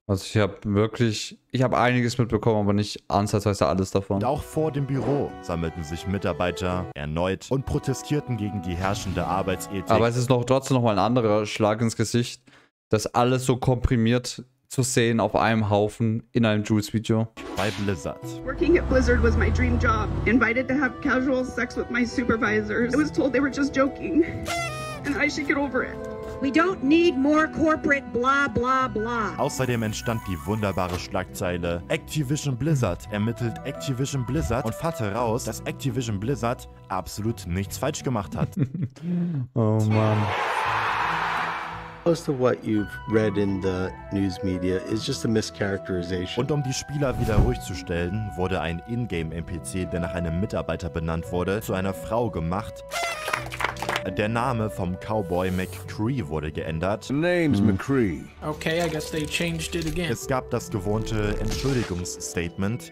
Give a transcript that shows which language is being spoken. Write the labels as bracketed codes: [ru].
[de] Also ich habe wirklich, ich habe einiges mitbekommen, aber nicht ansatzweise alles davon. Und auch vor dem Büro sammelten sich Mitarbeiter erneut und protestierten gegen die herrschende Arbeitsethik. Aber es ist noch trotzdem noch mal ein anderer Schlag ins Gesicht, dass alles so komprimiert zu sehen auf einem Haufen in einem Jules-Video. Bei Blizzard. [en] Working at Blizzard was my dream job. Invited to have casual sex with my supervisors. I was told they were just joking. And I should get over it. We don't need more corporate blah blah blah. [de] Außerdem entstand die wunderbare Schlagzeile Activision Blizzard ermittelt Activision Blizzard und fand heraus, dass Activision Blizzard absolut nichts falsch gemacht hat. Oh Mann. [en] Most of what you've read in the news media is just a mischaracterization. [de] Und um die Spieler wieder ruhig zu stellen, wurde ein Ingame-NPC, der nach einem Mitarbeiter benannt wurde, zu einer Frau gemacht. Der Name vom Cowboy McCree wurde geändert. [en] Name's McCree. Okay, I guess they changed it again. [de] Es gab das gewohnte Entschuldigungsstatement.